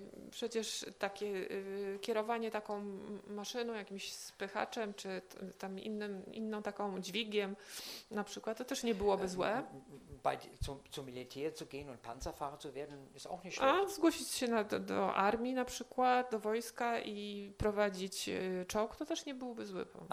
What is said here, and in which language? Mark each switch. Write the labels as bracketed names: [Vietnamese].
[Polish] Przecież takie kierowanie taką maszyną, jakimś spychaczem, czy tam inną taką dźwigiem na przykład, to też nie byłoby złe. [German] Zum Militär zu gehen und Panzerfahrer zu werden, ist auch nicht schlecht. [Polish] A zgłosić się do armii na przykład, do wojska i prowadzić czołg, to też nie byłoby zły pomysł.